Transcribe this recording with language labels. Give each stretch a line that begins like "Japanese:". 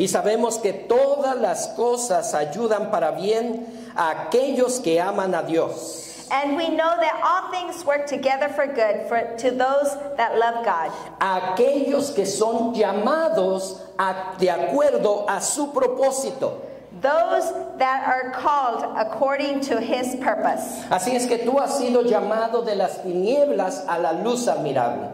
Spanish: Y sabemos que todas las cosas ayudan para bien a aquellos que aman a Dios.
English: And we know that all things work together for good to those that love God.
Spanish: A aquellos que son llamados de acuerdo a su propósito.
English: Those that are called according to his purpose.
Spanish: Así es que tú has sido llamado de las tinieblas a la luz admirable.